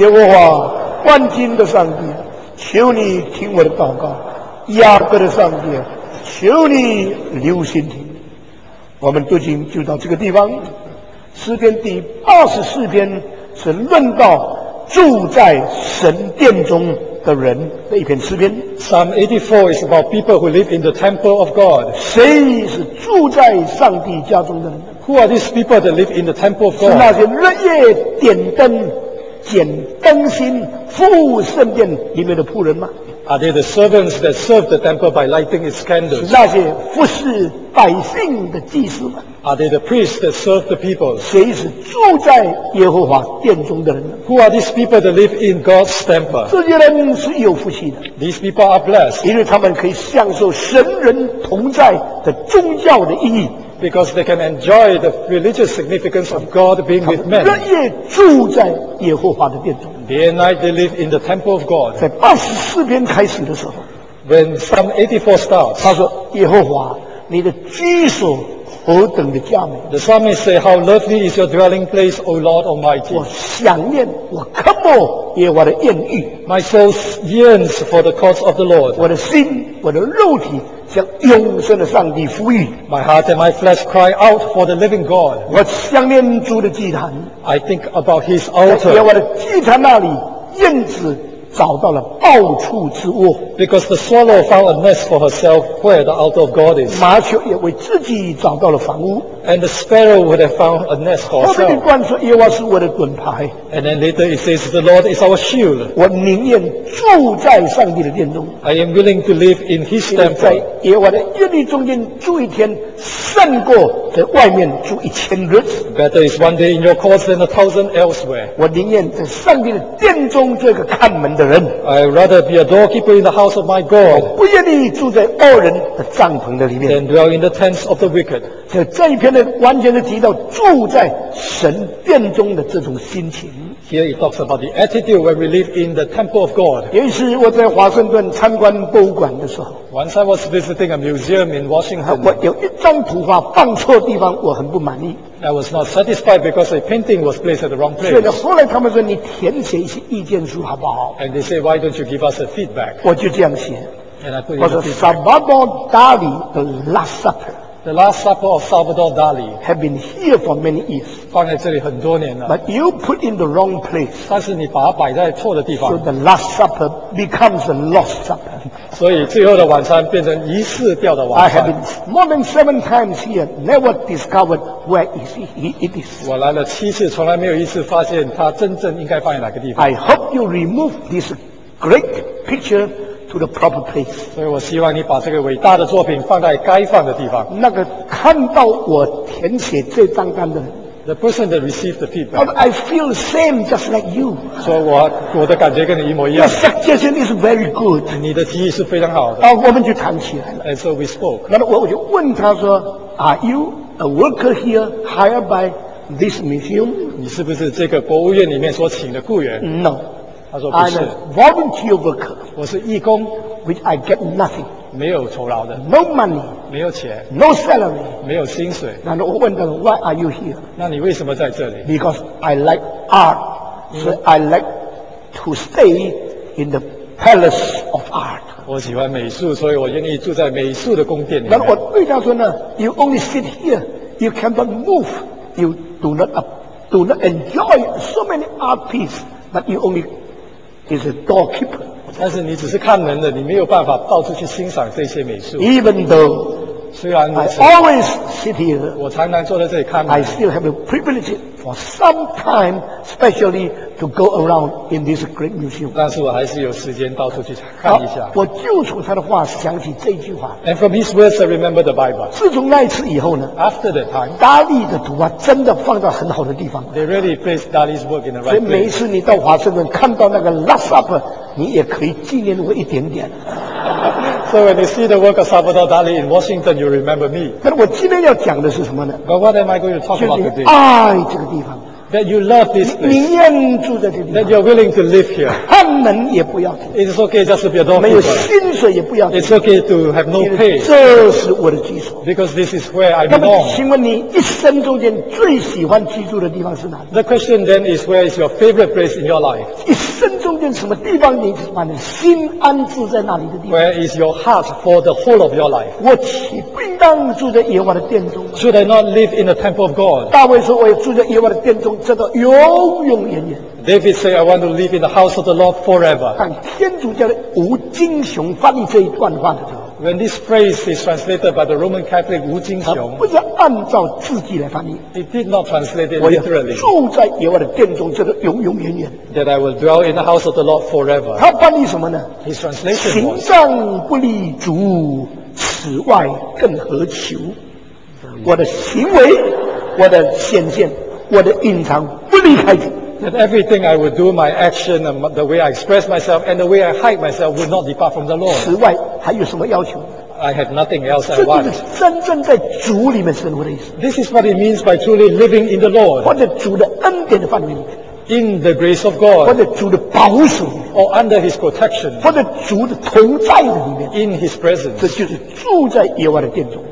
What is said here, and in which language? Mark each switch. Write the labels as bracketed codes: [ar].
[zh] 耶和华万军的上帝啊，求你听我的祷告，雅各的上帝，求你留心听。我们读经就到这个地方。诗篇第八十四篇是论到住在神殿中的人的一篇诗篇。 [en] Psalm 84 is about people who live in the temple of God。 [zh] 谁是住在上帝家中的人 [en] ？Who are these people that live in the temple of God？ [zh] 是那些日夜点灯。捡灯芯服务圣殿里面的仆人吗？ [en] Are they the servants that serve the temple by lighting its candles？ [zh] 是那些服侍百姓的祭司吗？ [en] Are they the priests that serve the people？ [zh] 谁是住在耶和华殿中的人呢？ [en] Who are these people that live in God's temple？ [zh] 这些人是有福气的。 [en] These people are blessed， [zh] 因为他们可以享受神人同在的宗教的意义。 [en] Because they can enjoy the religious significance of God being with men. [zh] 日夜住在耶和华的殿中。 [en] Day and night they live in the temple of God. [zh] 在八十四篇开始的时候 [en] ，When Psalm 84 starts， [zh] 他说：“耶和华，你的居所何等的佳美 [en] ！”The psalmist say, "How lovely is your dwelling place, O Lord Almighty." [zh] 我想念，我渴慕耶和华的宴宇。 [en] My soul yearns for the courts of the Lord. [zh] 我的心，我的肉体。向永生的上帝呼吁 [en] ，My heart and my flesh cry out for the living God。 [zh] 我想念主的祭坛 [en] ，I think about His altar。 [zh] 在耶和华的祭坛那里，燕子找到了抱处之窝 [en] ，Because the swallow found a nest for herself where the altar of God is。 [zh] 麻雀也为自己找到了房屋 [en] ，And the sparrow would have found a nest for herself。 [zh] 后面一段说耶和华是我的盾牌 [en] ，And then later it says the Lord is our shield。 [zh] 我宁愿住在上帝的殿中 [en] ，I am willing to live in His temple。 [zh] 在耶和华的院里中间住一天，胜过在外面住一千日子。 [en] Better is one day in your courts than 1,000 elsewhere。 [zh] 我宁愿在上帝的殿中做一个看门的人。 [en] I'd rather be a doorkeeper in the house of my God。 [zh] 不愿意住在恶人的帐篷的里面。 [en] Than dwell in the tents of the wicked。 [zh] 就这一篇呢，完全的提到住在神殿中的这种心情。 [en] Here it talks about the attitude when we live in the temple of God. [zh] 有一次我在华盛顿参观博物馆的时候 [en] ，Once I was visiting a museum in Washington. [zh] 我有一张图画放错地方，我很不满意。 [en] I was not satisfied because a painting was placed at the wrong place. [zh] 所以后来他们说你填写一些意见书好不好 [en] ？And they say why don't you give us a feedback? [zh] 我就这样写。 [en] And I put in the feedback. [zh] 我说 [en] Salvador Dali, the Last Supper. The Last Supper of Salvador Dali. Have been here for many years. [zh] 放在这里很多年了。 [en] But you put in the wrong place. [zh] 但是你把它摆在错的地方。 [en] So the Last Supper becomes a lost supper. [zh] 所以最后的晚餐变成遗失掉的晚餐。 [en] I have been more than 7 times here, never discovered where it is. [zh] 我来了七次，从来没有一次发现它真正应该放在哪个地方。 [en] I hope you remove this great picture to the proper place。 [zh] 所以我希望你把这个伟大的作品放在该放的地方。那个看到我填写这张单的人。 [en] The person that received the feedback. I feel the same just like you. [zh] 所以我的感觉跟你一模一样。 [en] The suggestion is very good. [zh] 你的提议是非常好的。然后我们就谈起来了。 [en] And so we spoke. [zh] 那么我就问他说 [en] ,Are you a worker here hired by this museum? [zh] 你是不是这个博物院里面所请的雇员 [en] ?No. I'm a volunteer worker, [zh] 我是义工 [en] which I get nothing. [zh] 没有酬劳的。 [en] No money， [zh] 没有钱。 [en] No salary， [zh] 没有薪水。那我问他 ， [en] Why are you here？ [zh] 那你为什么在这里 [en] ？Because I like art， so I like to stay in the palace of art。 [zh] 我喜欢美术，所以我愿意住在美术的宫殿里 [en] 面。 [zh] 那我对他说呢 [en] ，You only sit here， you cannot move， you do not do not enjoy so many art pieces， but you only is a doorkeeper。 [zh] 但是你只是看人的，你没有办法到处去欣赏这些美术。 [en] Even though， [zh] 虽然如此 [en] ，I always sit here， [zh] 我常常坐在这里看。 [en] I still have the privilege for some time, specially to go around in this great museum。 [zh] 但是我还是有时间到处去看一下。我就从他的话想起这句话。 [en] And from his words, I remember the Bible。 [zh] 自从那一次以后呢 [en] ？After that time， [zh] 达利的图画真的放到很好的地方。 [en] They really place Dali's work in the right place。 [zh] 所以每一次你到华盛顿看到那个 Lush Up。你也可以纪念我一点点。 [en] So when you see the work of Salvador Dali in Washington, you remember me. [zh] 但我今天要讲的是什么呢 [en] ？But what am I going to talk about today? [zh] 就是爱这个地方。 [en] That you love this place. [zh] 你愿住在这里。 [en] That you're willing to live here. [zh] 看门也不要 [en] 紧。It's okay just to be a doorkeeper. [zh] 没有薪水也不要紧。 [en] It's okay to have no pay. [zh] 这是我的居所。 [en] Because this is where I belong. [zh] 那么请问你一生中间最喜欢居住的地方是哪里 [en] ？The question then is where is your favorite place in your life? [zh] 一生中间什么地方你把你心安置在哪里的地方 [en] ？Where is your heart for the whole of your life? [zh] 我岂不应当住在耶和华的殿中 [en] ？Should I not live in the temple of God? [zh] 大卫说：“我要住在耶和华的殿中。” 这个永永远远。 [en] David said, "I want to live in the house of the Lord forever." [zh] 当天主教的吴金雄翻译这一段话的时候 [en] ，When this phrase is translated by the Roman Catholic 吴金雄， [zh] 他不是按照字迹来翻译。 [en] He did not translate it literally. [zh] 住在耶和华的殿中，这个永永远远。 [en] That I will dwell in the house of the Lord forever. [zh] 他翻译什么呢 [en] ？His translation was, [zh] 行杖不离足，此外更何求？我的行为，我的显现。我的隐藏不离开主。 [en] That everything I would do, my action, the way I express myself, and the way I hide myself would not depart from the Lord. [zh] 此外，还有什么要求 [en] ？I have nothing else I want. [zh] 这就是真正在主里面生活的意思。 [en] This is what it means by truly living in the Lord. [zh] 或者主的恩典的范围里。 [en] In the grace of God. [zh] 或者主的保守。 [en] Or under His protection. [zh] 或者主的同在的里面。 [en] In His presence. [zh] 这就是住在耶和华的殿中。